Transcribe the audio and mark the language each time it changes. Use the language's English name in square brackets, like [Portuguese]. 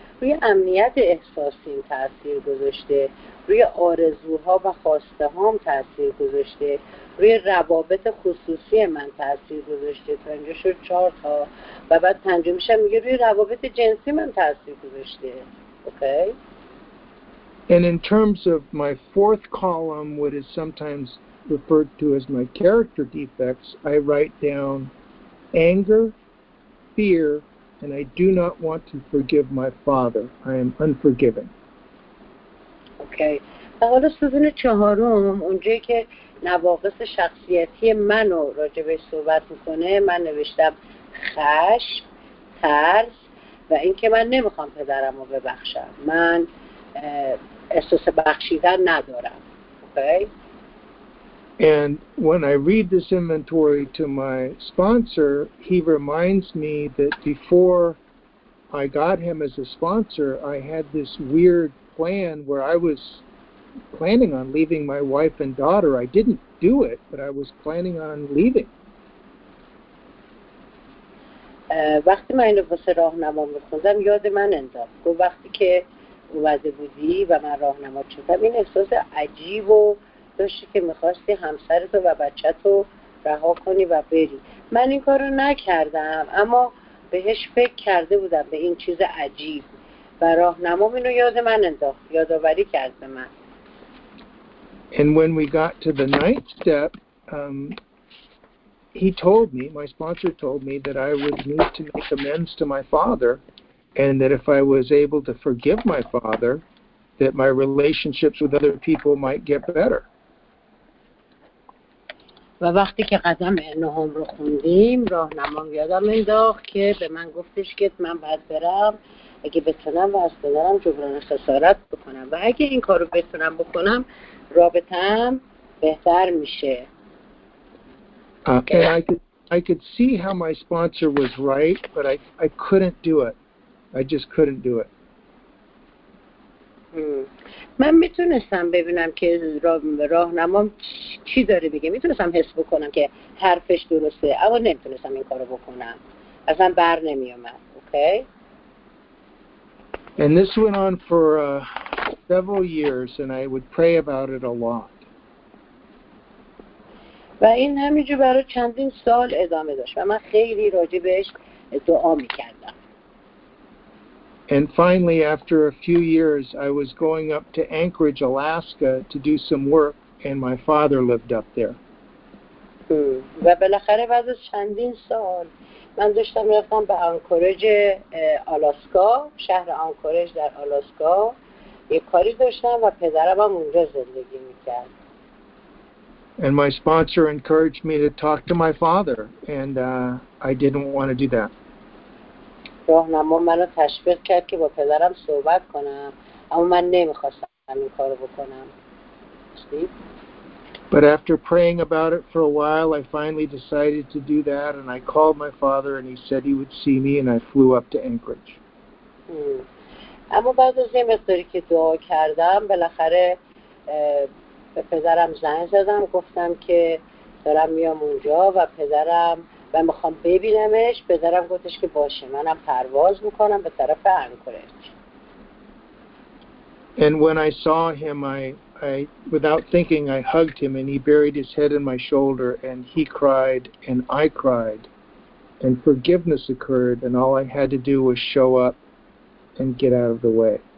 [Persian] روی امنیت احساسیم تأثیر گذاشته، روی آرزوها و خواسته هام تأثیر گذاشته، روی روابط خصوصی من تأثیر گذاشته، پنجم شد 4 تا و بعد پنجم میشه میگه روی روابط جنسی من تأثیر گذاشته. [English] Okay? And in terms of my fourth column, what is sometimes referred to as my character defects, I write down anger, fear, and I do not want to forgive my father. I am unforgiving. Okay. [Persian] و حالا ستون چهارم اونجایی که نواقص شخصیتی منو راجع بهش صحبت میکنه من نوشتم خشم، ترس و اینکه من نمیخوام پدرم رو ببخشم. من احساس بخشیدن ندارم. Okay. [English] And when I read this inventory to my sponsor, he reminds me that before I got him as a sponsor, I had this weird plan where I was planning on leaving my wife and daughter. I didn't do it, but I was planning on leaving. [Persian] وقتی من اینو واسه راهنما می‌خوندم یاد من انداخت. گفت وقتی که اومده بودی و من راهنما شدم این احساس عجیب و داشتی که میخواستی همسرتو و بچهتو رها کنی و بری. من این کارو نکردم اما بهش فکر کرده بودم، به این چیز عجیب، و راه نمام اینو یاد من انداخت، یادآوری کرد به من. [English] And when we got to the ninth step, he told me, my sponsor told me that I would need to make amends to my father and that if I was able to forgive my father that my relationships with other people might get better. [Persian] و وقتی که قدم نهم رو خوندیم راهنمام یادم انداخت که به من گفتش که من باید برم اگه بتونم و از پدرم جبران خسارت بکنم و اگه این کارو بتونم بکنم رابطه‌ام بهتر میشه. [English] Okay, I could see how my sponsor was right, but I couldn't do it. I just couldn't do it. [Persian] من میتونستم ببینم که راهنمام چی داره بگه، میتونستم حس بکنم که حرفش درسته اما نمیتونستم این کارو بکنم، اصلا بر نمی اومد. [English] Okay? And this went on for several years and I would pray about it a lot. [Persian] و این همینجور برای چندین سال ادامه داشت و من خیلی راجع بهش دعا میکردم. [English] And finally, after a few years, I was going up to Anchorage, Alaska, to do some work, and my father lived up there. [Persian] و بالاخره بعد از چندین سال من داشتم رفتم به آنکوریج آلاسکا، شهر آنکوریج در آلاسکا، یک کاری داشتم و پدرم هم اونجا زندگی میکرد. [English] And my sponsor encouraged me to talk to my father, and I didn't want to do that. [Persian] راهنما منو تشویق کرد که با پدرم صحبت کنم اما من نمیخواستم این کارو بکنم. [English] But after praying about it for a while I finally decided to do that and I called my father and he said he would see me and I flew up to Anchorage. [Persian] @ اما بعد از یه مقداری که دعا کردم بالاخره به پدرم زنگ زدم گفتم که دارم میام اونجا و پدرم و میخوام ببینمش. پدرم گفتش که باشه منم پرواز میکنم به طرف انکورج. [English] And when I saw him, I without thinking, I hugged him, and he buried his head in my shoulder, and he cried, and I cried, and forgiveness occurred, and all I had to do was show up and get out of the way.